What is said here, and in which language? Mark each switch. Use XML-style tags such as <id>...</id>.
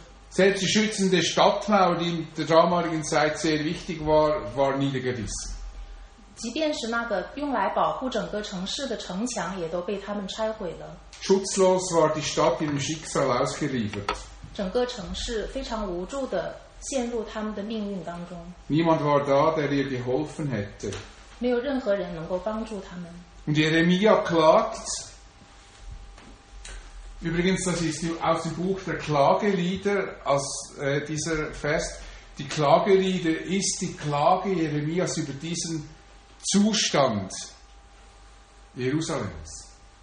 <de>Selbst die schützende Stadtmauer, die in der damaligen Zeit sehr wichtig war, war niedergerissen.</de> <zh>即便是那个用来保护整个城市的城墙也都被他们拆毁了。</zh> <de>Schutzlos war die Stadt ihrem Schicksal ausgeliefert.</de> <zh>整个城市非常无助地陷入他们的命运当中。</zh> <de>Niemand war da, der ihr geholfen hätte.</de> <zh>没有任何人能够帮助他们。</zh> <de>Und Jeremia klagt. Übrigens, das ist aus dem Buch der Klagelieder, aus dieser Vers. Die Klagelieder ist die Klage Jeremias über diesen Zustand Jerusalems.</de>